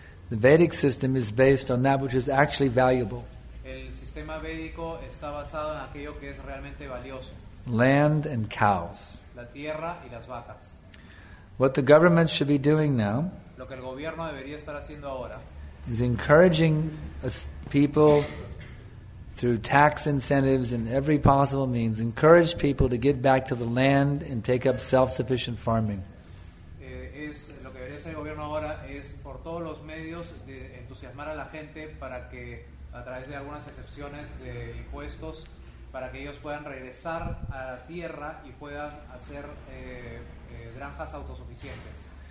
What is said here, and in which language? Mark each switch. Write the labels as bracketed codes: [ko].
[en] The Vedic system is based on that which is actually valuable. [es] El sistema védico está basado en aquello que es realmente valioso. [en] Land and cows. [es] La tierra y las vacas. [en] What the government should be doing now [es] lo que el gobierno debería estar haciendo ahora [en] is encouraging people through tax incentives and every possible means, encourage people to get back to the land and take up self-sufficient farming. [es] Es lo que debería hacer el gobierno ahora es por todos los medios de entusiasmar a la gente para que a través de algunas excepciones de impuestos para que ellos puedan regresar a la tierra y puedan hacer granjas autosuficientes.